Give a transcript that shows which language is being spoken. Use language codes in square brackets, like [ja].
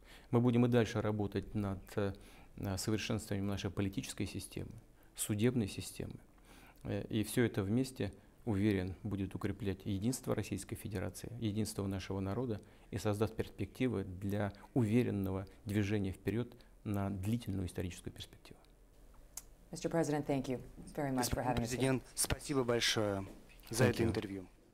[ru] Мы будем и дальше работать над совершенствованием нашей политической системы, судебной системы. И все это вместе, уверен, будет укреплять единство Российской Федерации, единство нашего народа и создаст перспективы для уверенного движения вперед на длительную историческую перспективу. [en] Mr. President, thank you very much for having us. [ru] Президент, спасибо большое за это интервью.